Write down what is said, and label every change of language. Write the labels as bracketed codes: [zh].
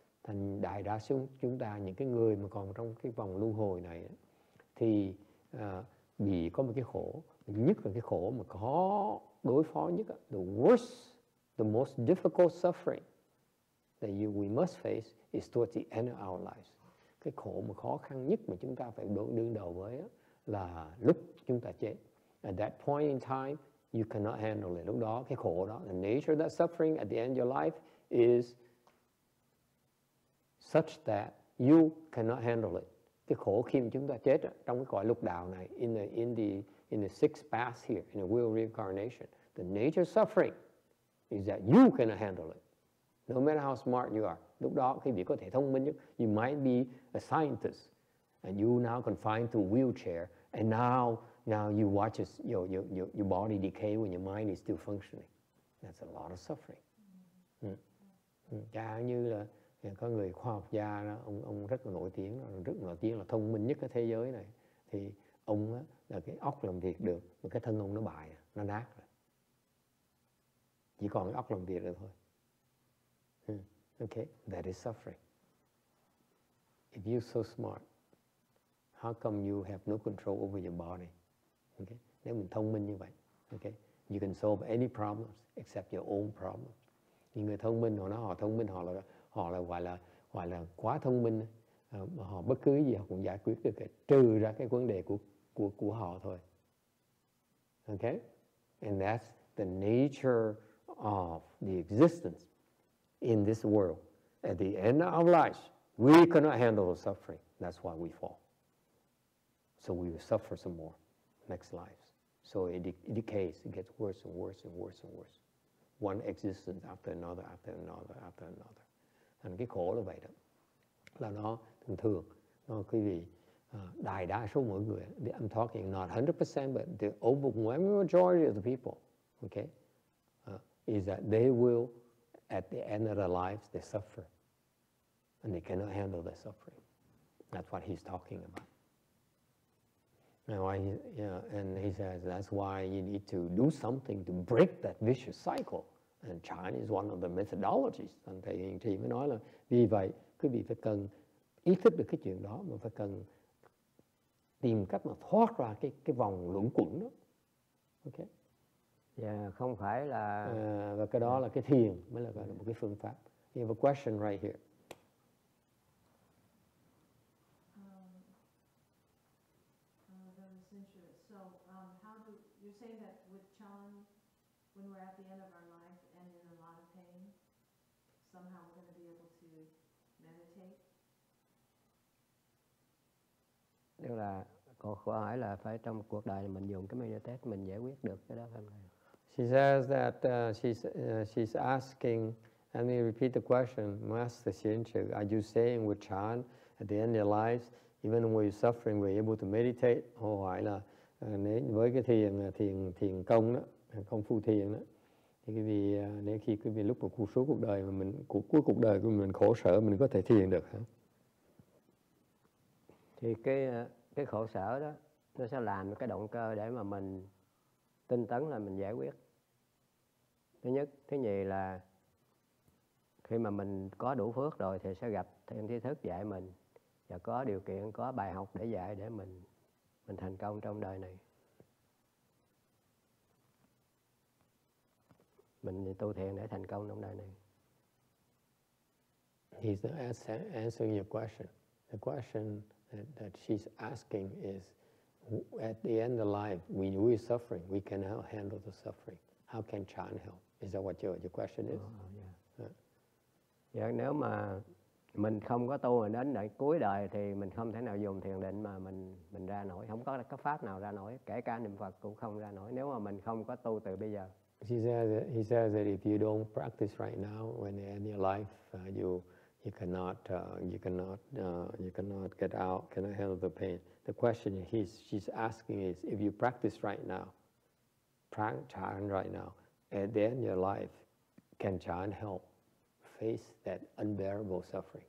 [vi] Thành đại đa số chúng ta, những cái người mà còn trong cái vòng luân hồi này, thì bị có một cái khổ, nhất là cái khổ mà khó đối phó nhất, [en] the worst, the most difficult suffering that we must face is towards the end of our lives. [vi] Cái khổ mà khó khăn nhất mà chúng ta phải đương đầu với là lúc chúng ta chết. [en] At that point in time, you cannot handle it. [vi] Lúc đó, cái khổ đó, [en] the nature of that suffering at the end of your life is such that you cannot handle it. [vi] Cái khổ khi mà chúng ta chết trong cái cõi lục đạo này, [en] in the sixth path here, in the wheel reincarnation, the nature of suffering is that you cannot handle it. No matter how smart you are, [vi] lúc đó khi bị có thể thông minh nhất, [en] you might be a scientist, and you now confined to a wheelchair, and now you watch as your body decay when your mind is still functioning. That's a lot of suffering. [vi] Chẳng như là có người khoa học gia đó, ông rất nổi tiếng là thông minh nhất ở thế giới này, thì ông đó, là cái óc làm việc được, mà cái thân ông nó bại, nó nát rồi. Chỉ còn cái óc làm việc được thôi. [en] Okay, that is suffering. If you're so smart, how come you have no control over your body? Okay, [vi] nếu mình thông minh như vậy, [en] okay, you can solve any problems except your own problem. [vi] Những người thông minh, họ gọi là quá thông minh, họ bất cứ gì họ cũng giải quyết được, trừ ra cái vấn đề của họ thôi. [en] Okay, and that's the nature of the existence. In this world, at the end of life, we cannot handle the suffering. That's why we fall. So we will suffer some more next lives. So it decays. It gets worse and worse and worse and worse. One existence after another, after another, after another. [vi] Thành cái khổ là vậy đó. Là nó thường thường, nó quý vị, đại đa số mọi người, [en] I'm talking not 100%, but the overwhelming majority of the people, okay, is that they will, at the end of their lives, they suffer. And they cannot handle their suffering. That's what he's talking about. And, why and he says, that's why you need to do something to break that vicious cycle. And China is one of the methodologies. [vi] And Thầy Hiền Trì mới nói là, vì vậy, quý vị phải cần ý thức được cái chuyện đó, mà phải cần tìm cách mà thoát ra cái vòng luẩn quẩn đó. [en] Okay? [vi] Không phải là và cái đó là cái thiền mới là một cái phương pháp. [en] You have a question right here. That was interesting. So, how do you say that with chan, when we're at the end of our life and in a lot of pain, somehow we're going to be able to meditate? [vi] Điều là câu hỏi là phải trong cuộc đời mình dùng cái meditate mình giải quyết được cái đó không này. [en] She says that she's asking, let me repeat the question, Master Xianqi, are you saying with Chan, at the end of your lives, even when you're suffering, we're able to meditate? [vi] Họ hỏi là, với cái thiền công đó, công phu thiền đó, thì cái vì, nếu khi cái vì lúc mà cuộc số cuộc đời mà mình, cuối cuộc đời của mình khổ sở, mình có thể thiền được hả? Thì cái khổ sở đó, nó sẽ làm cái động cơ để mà mình tinh tấn là mình giải quyết. Thứ nhất, thứ nhì là khi mà mình có đủ phước rồi thì sẽ gặp thêm tri thức dạy mình và có điều kiện, có bài học để dạy để mình thành công trong đời này. Mình tu thiền để thành công trong đời này. [en] He's not answering your question. The question that she's asking is, at the end of life, when we're suffering, we cannot handle the suffering. How can chan help? Is that what your question is? [vi] Yeah, nếu mà mình không có tu mà đến đời cuối đời thì mình không thể nào dùng thiền định mà mình ra nổi, không có cái pháp nào ra nổi, kể cả niệm Phật cũng không ra nổi nếu mà mình không có tu từ bây giờ. [en] He says that if you don't practice right now when in your life you cannot get out, cannot handle the pain. The question she's asking is, if you practice right now, chan right now, at the end of your life, can chan help face that unbearable suffering?